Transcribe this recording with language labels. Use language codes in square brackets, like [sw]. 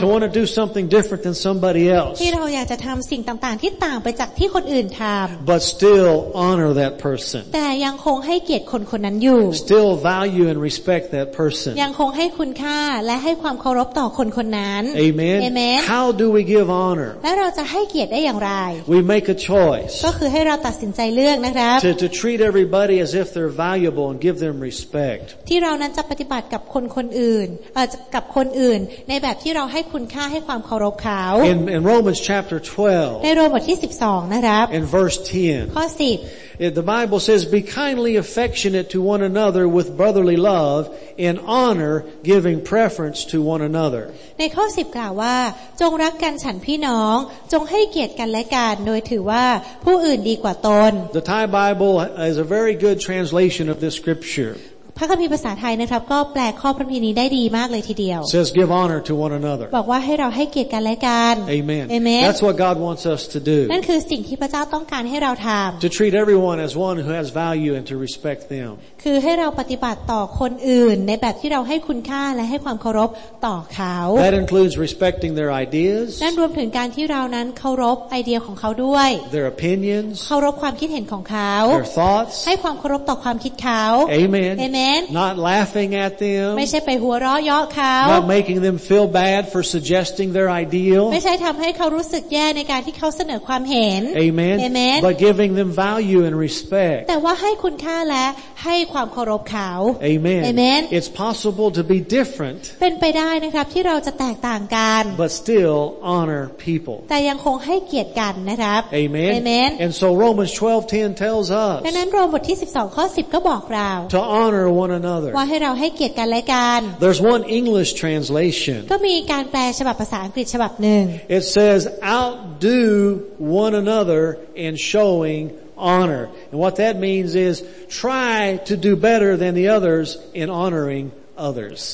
[en] To want to do something different than somebody else [th] ที่เราอยากจะทำสิ่งต่างๆที่ต่างไปจากที่คนอื่นทำ [en] But still honor that person [th] แต่ยังคงให้เกียรติคนคนนั้นอยู่ [en] Still value and respect that person [th] ยังคงให้คุณค่าและให้ความเคารพต่อคนคนนั้น [en] AmenAmen. How do we give honor? [th] แล้วเราจะให้เกียรติได้อย่างไร [en] We make a choice. [th] ก็คือให้เราตัดสินใจเลือกนะครับ [en] To treat everybody as if they're valuable and give them respect. [th] ที่เรานั้นจะปฏิบัติกับคนอื่นกับคนอื่นในแบบที่เราให้คุณค่าให้ความเคารพเขา [en] In Romans chapter 12. [th] ในโรมบทที่12นะครับ [en] In verse 10. [th] ข้อ 10. [en] The Bible says, "Be kindly affectionate to one another with brotherly love, in honor, giving preference to one another." [th] ในข้อ 10 กล่าวว่าจงรักกันฉันพี่น้องจงให้เกียรติกันและกันโดยถือว่าผู้อื่นดีกว่าตน [en] The Thai Bible is a very good translation of this scripture. [th] พระคัมภีร์ภาษาไทยนะครับก็แปลข้อพระคัมภีร์นี้ได้ดีมากเลยทีเดียว [en] Says give honor to one another [th] บอกว่าให้เราให้เกียรติกันและกัน [en] Amen Amen That's what God wants us to do [th] นั่นคือสิ่งที่พระเจ้าต้องการให้เราทำ [en] To treat everyone as one who has value and to respect them [th] คือให้เราปฏิบัติต่อคนอื่นในแบบที่เราให้คุณค่าและให้ความเคารพต่อเขา [en] That includes respecting their ideas [th] นั่นรวมถึงการที่เรานั้นเคารพไอเดียของเขาด้วย [en] Their opinions [th] เคารพความคิดเห็นของเขา [en] Their thoughts [th] ให้ความเคารพต่อความคิดเขา [en] Amen Amen Not laughing at them. [th] ไม่ใช่ไปหัวเราะเยาะเขา [en] Not making them feel bad for suggesting their ideal. [th] ไม่ใช่ทำให้เขารู้สึกแย่ในการที่เขาเสนอความเห็น [en] Amen. Amen. But giving them value and respect. [th] แต่ว่าให้คุณค่าและให้ความเคารพเขา [en] Amen. Amen. It's possible to be different. [th] เป็นไปได้นะครับที่เราจะแตกต่างกัน [en] But still honor people. [th] แต่ยังคงให้เกียรติกันนะครับ [en] Amen. Amen. And so Romans 12:10 tells us. [th] ดังนั้นโรมบทที่12ข้อ10ก็บอกเรา [en] To honorone another [th] ว่าให้เราให้เกียรติกันและกัน [en] There's one English translation [th] ก็มีการแปลฉบับภาษาอังกฤษฉบับหนึ่ง [en] It says outdo one another in showing honor and what that means is try to do better than the others in honoring others